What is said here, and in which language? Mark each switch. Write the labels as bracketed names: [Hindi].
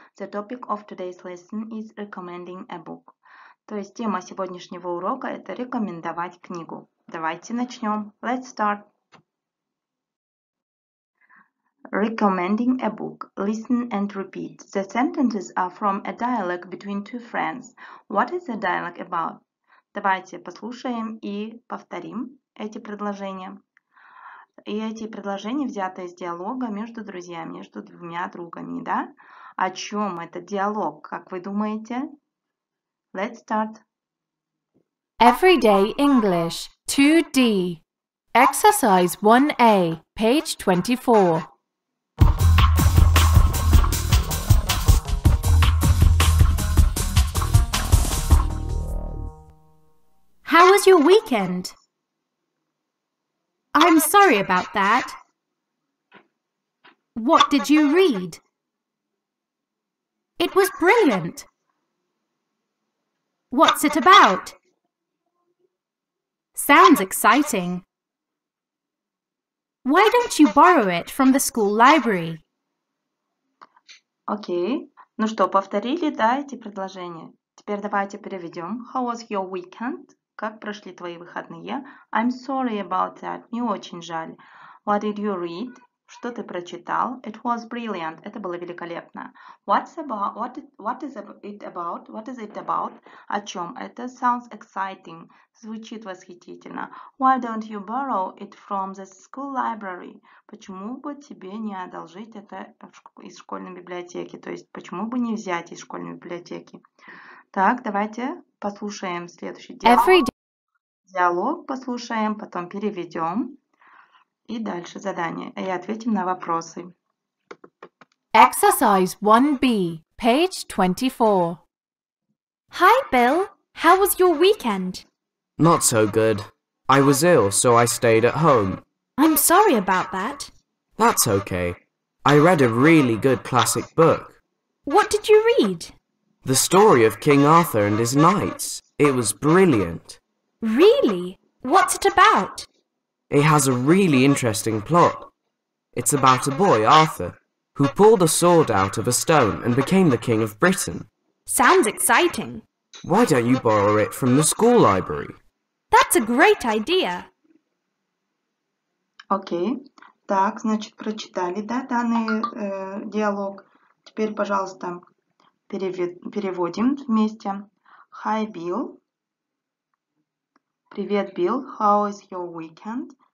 [English] The topic of today's lesson is recommending a book. [Russian] То есть тема сегодняшнего урока – это рекомендовать книгу. Давайте начнем. [English] Let's start. Recommending a book. Listen and repeat. The sentences are from a dialogue between two friends. What is the dialogue about? [Russian] Давайте послушаем и повторим эти предложения. И эти предложения взяты из диалога между друзьями, между двумя другами, да? О чем этот диалог, как вы думаете? [English] Let's start. Everyday English 2D. Exercise 1A, page 24. How was your weekend? I'm sorry about that. What did you read? It was brilliant. What's it about? Sounds exciting. Why don't you borrow it from the school library? Okay. [Russian] Ну что, повторили, да, эти предложения? Теперь давайте переведем. [English] How was your weekend? [Russian] Как прошли твои выходные? [English] I'm sorry about that. [Russian] Мне очень жаль. [English] What did you read? [Russian] Что ты прочитал? [English] It was brilliant. [Russian] Это было великолепно. [English] What's about? What is it about? What is it about? [Russian] О чем? [English] Это sounds exciting. [Russian] Звучит восхитительно. [English] Why don't you borrow it from the school library? [Russian] Почему бы тебе не одолжить это из школьной библиотеки? То есть, почему бы не взять из школьной библиотеки? Так, давайте послушаем следующий диалог. Диалог послушаем, потом переведем. И дальше задание. И ответим на вопросы. [English] Exercise 1B, page 24. Hi, Bill. How was your weekend? Not so good. I was ill, so I stayed at home. I'm sorry about that. That's okay. I read a really good classic book. What did you read? The story of King Arthur and his knights. It was brilliant. Really? What's it about? It has a really interesting plot. It's about a boy, Arthur, who pulled a sword out of a stone and became the King of Britain. Sounds exciting. Why don't you borrow it from the school library? That's a great idea. Okay. [Russian] Так, значит, прочитали, да, данный диалог. Теперь, пожалуйста, переводим вместе. [English] Hi, Bill. [Russian] Привет, Билл. [English] How is your weekend?